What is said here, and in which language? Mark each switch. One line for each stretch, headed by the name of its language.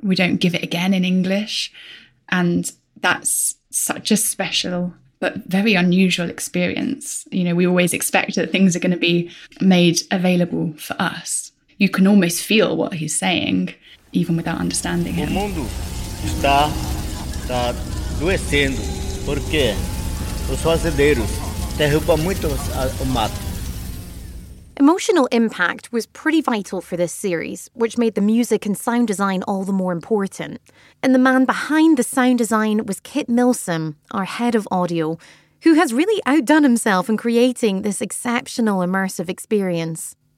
English: We don't give it again in English. And that's such a special but very unusual experience. You know, we always expect that things are going to be made available for us. You can almost feel what he's saying, even without understanding him.
Portuguese: O mundo está adoecendo porque os fazendeiros derrubam muito o mato.
English: Emotional impact was pretty vital for this series, which made the music and sound design all the more important. And the man behind the sound design was Kit Milsom, our head of audio, who has really outdone himself in creating this exceptional immersive experience.